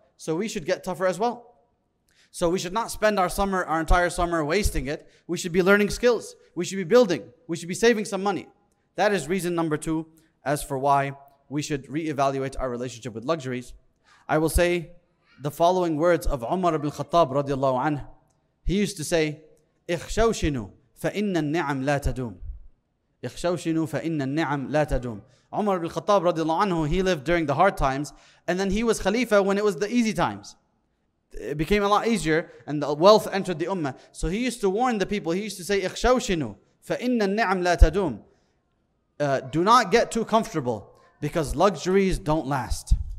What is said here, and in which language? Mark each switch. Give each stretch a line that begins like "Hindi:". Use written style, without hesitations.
English: So we should get tougher as well. So we should not spend our entire summer wasting it. We should be learning skills. We should be building. We should be saving some money. That is reason number two as for why we should reevaluate our relationship with luxuries. I will say the following words of Umar ibn Khattab radiallahu anhu. He used to say,
Arabic: اخشوشنوا فإن النعم لا تدوم. يخشوشنو فإن النعم لا تدوم.
English: Umar ibn al-Khattab radiallahu anhu, he lived during the hard times, and then he was Khalifa when it was the easy times. It became a lot easier and the wealth entered the ummah. So he used to warn the people. He used to say,
Arabic: اخشوشنو فإن النعم لا تدوم.
English: Do not get too comfortable because luxuries don't last.